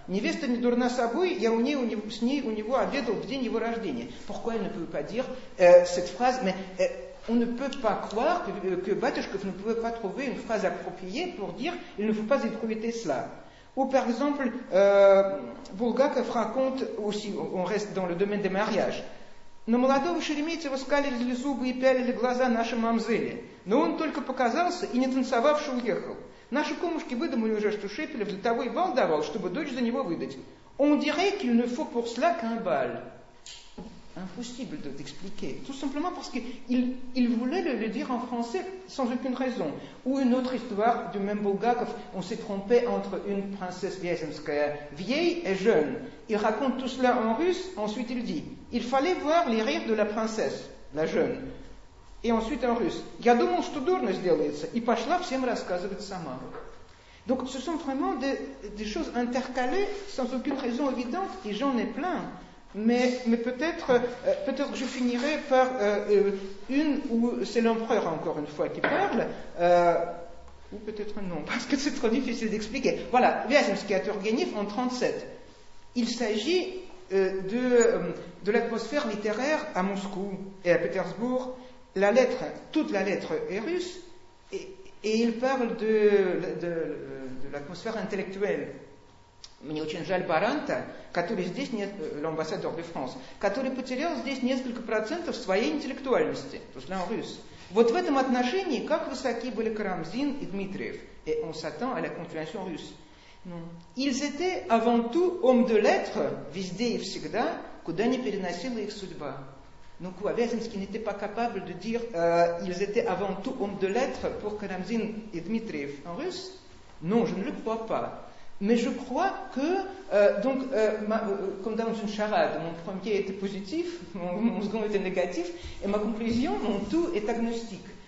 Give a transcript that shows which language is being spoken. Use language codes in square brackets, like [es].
[ru] Невеста не дурна собой, я с ней у него обедал в день его рождения. [fr] Pourquoi il ne peut pas dire cette phrase? Mais on ne peut pas croire que Batushkov ne pouvait pas trouver une phrase appropriée pour dire il ne faut pas ébruiter cela. Ou par exemple, Bulgakov raconte aussi, on reste dans le domaine des mariages. [ru] Но молодого Шереметьева скалили зубы и пялили глаза нашей мамзели. Но он только показался и, не танцевавши, уехал. Наши кумушки выдумали уже, что Шепелев для того и бал давал, чтобы дочь за него выдать. Он [fr] dirait qu'il ne faut pour cela qu'un bal. impossible de t'expliquer. Tout simplement parce qu'il voulait le dire en français sans aucune raison. Ou une autre histoire du même Bulgakov, on s'est trompé entre une princesse Vyazemskaya vieille et jeune. Il raconte tout cela en russe, ensuite il dit, il fallait voir les rires de la princesse, la jeune. Et ensuite en russe, [ru] я думал, что дурно сделается, и пошла всем рассказывать сама. [fr] Donc ce sont vraiment des choses intercalées sans aucune raison évidente, et j'en ai plein. Mais peut-être que je finirai par une où c'est l'empereur, encore une fois, qui parle, ou peut-être non, parce que c'est trop difficile d'expliquer. Voilà, Vyazemskaya Turgenev en 37. Il s'agit de l'atmosphère littéraire à Moscou et à Pétersbourg. La lettre, toute la lettre est russe, et il parle de l'atmosphère intellectuelle. [ru] Мне очень жаль Баранта, который здесь нет, [fr] l'ambassadeur de France, [ru] который потерял здесь несколько процентов своей интеллектуальности. То есть, [fr] en russe. [ru] Вот в этом отношении, как высоки были Карамзин и Дмитриев. [fr] Et on s'attend à la continuation russe. Non. Ils étaient avant tout hommes de lettres, [ru] везде и всегда, куда ни переносила их судьба. [fr] Donc, quoi, Vyazemskaya n'était pas capable de dire ils étaient avant tout hommes de lettres pour Karamzin et Dmitriev en russe? Non, je ne le crois pas. Mais je crois que, comme dans une charade, mon premier était positif, mon second était négatif, et ma conclusion, mon tout est agnostique.